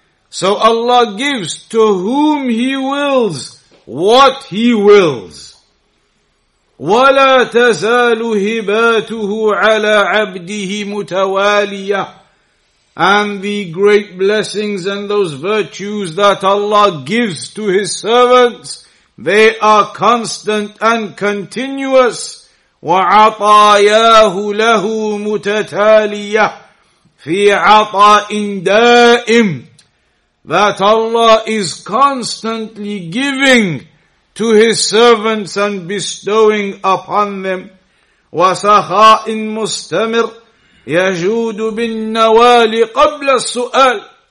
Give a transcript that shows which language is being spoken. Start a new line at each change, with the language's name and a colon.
English: So Allah gives to whom He wills what He wills.
Arabic: وَلَا تَزَالُ هِبَاتُهُ عَلَىٰ عَبْدِهِ مُتَوَالِيَةً.
English: And the great blessings and those virtues that Allah gives to His servants They are constant and continuous.
Arabic: وَعَطَايَاهُ لَهُ مُتَتَالِيَةٌ فِي عَطَاءٍ دَائِمٍ.
English: That Allah is constantly giving to His servants and bestowing upon them.
Arabic: وَسَخَاءٍ مُسْتَمِرٍ يَجُودُ بِالنَّوَالِ قَبْلَ السُّؤَالِ.